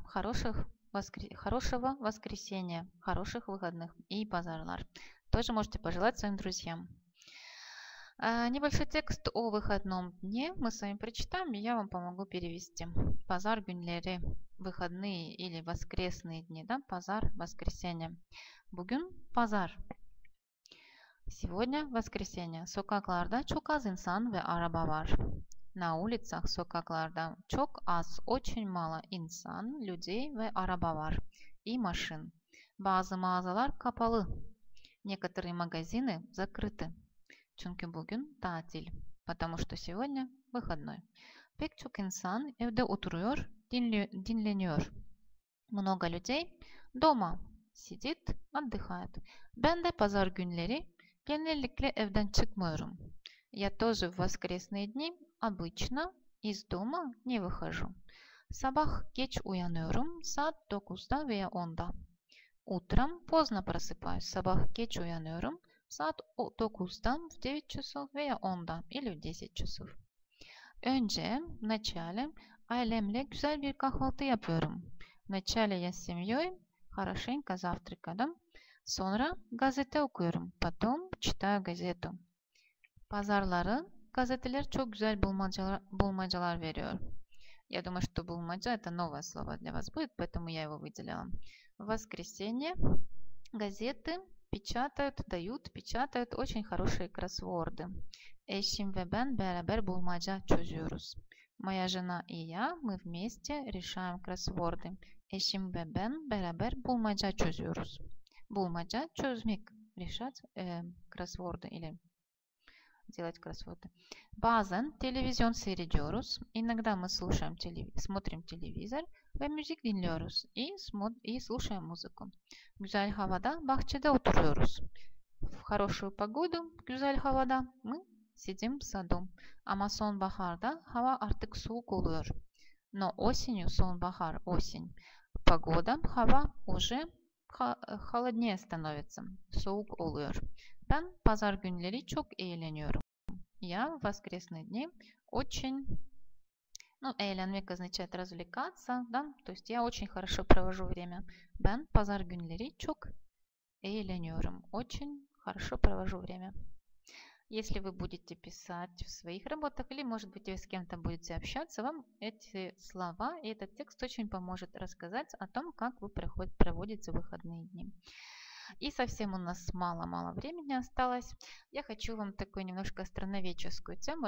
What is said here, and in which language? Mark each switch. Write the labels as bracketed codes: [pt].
[ru] Хорошего воскресенья, хороших выходных и пазарлар. Тоже можете пожелать своим друзьям. Небольшой текст о выходном дне мы с вами прочитаем, и я вам помогу перевести. Пазар günleri – выходные или воскресные дни, да? Пазар – воскресенье. [tr] Bugün – пазар. [ru] Сегодня – воскресенье. [tr] Sokaklarda çok az insan ve araba var. [ru] На улицах, [tr] sokaklarda çok az [ru] – очень мало insan, людей [tr] ve araba var [ru] и машин. [tr] Bazı mağazalar kapalı. [ru] Некоторые магазины закрыты. [tr] Çünkü bugün tatil. [ru] Потому что сегодня выходной. [tr] Pek çok insan evde oturuyor, dinleniyor. [ru] Много людей дома сидит, отдыхает. [tr] Ben de pazar günleri genellikle evden çıkmıyorum. [ru] Я тоже в воскресные дни обычно из дома не выхожу. [tr] Sabah geç uyanıyorum, saat 9'da veya 10'da. [ru] Утром поздно просыпаюсь. [tr] Sabah geç uyanıyorum. Saat 9'dan [ru] в 9 часов [tr] veya 10'dan [ru] или в 10 часов. [tr] Önce, [ru] в начале, [tr] ailemle güzel bir kahvaltı yapıyorum. [ru] В начале я с семьей хорошенько завтракаю. [tr] Sonra gazete okuyorum. [ru] Потом читаю газету. [tr] Pazarları, gazeteler çok güzel bulmacalar veriyor. [ru] Я думаю, что bulmaca это новое слово для вас будет, поэтому я его выделила. В воскресенье газеты печатают, дают, печатают очень хорошие кроссворды. [tr] Eşim ve ben beraber bulmaca çözüyoruz. [ru] Моя жена и я, мы вместе решаем кроссворды. [tr] Eşim ve ben beraber bulmaca çözüyoruz. Bulmaca çözmek, [ru] решать кроссворды или делать кроссворды. [tr] Bazen televizyon seyrediyoruz. [ru] Иногда мы слушаем смотрим телевизор. [tr] Ve müzik dinliyoruz. [ru] И слушаем музыку. [tr] Güzel havada bahçede oturuyoruz. [ru] В хорошую погоду, [tr] güzel havada, [ru] мы сидим в саду. [tr] Ama sonbaharda hava artık soğuk oluyor. [ru] Но осенью, sonbahar, осень, погода, hava уже холоднее становится. [tr] Soğuk oluyor. Ben pazar günleri çok eğleniyorum. [ru] Я в воскресные дни очень... Eğlenmek означает развлекаться, да? То есть я очень хорошо провожу время. [tr] Ben pazar günleri çok eğleniyorum. [ru] Очень хорошо провожу время. Если вы будете писать в своих работах или, может быть, вы с кем-то будете общаться, вам эти слова и этот текст очень поможет рассказать о том, как вы проводите выходные дни. И совсем у нас мало-мало времени осталось. Я хочу вам такую немножко страновеческую тему.